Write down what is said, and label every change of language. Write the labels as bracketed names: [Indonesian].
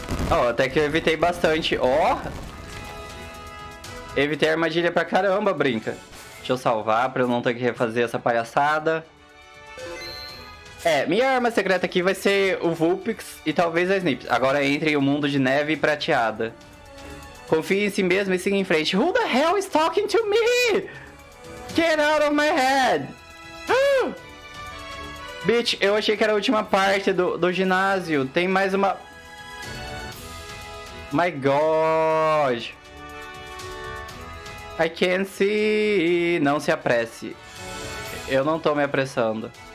[Portuguese] Oh, até que eu evitei bastante. Oh! Evitei armadilha pra caramba, brinca. Deixa eu salvar pra eu não ter que refazer essa palhaçada. É, minha arma secreta aqui vai ser o Vulpix e talvez a Snips. Agora entre o mundo de neve e prateada. Confie em si mesmo e siga em frente. [English] Who the hell is talking to me? Get out of my head! [Portuguese] Bitch, eu achei que era a última parte do ginásio. Tem mais uma... [English] My God! I can't see... [Portuguese] Não se apresse. Eu não tô me apressando.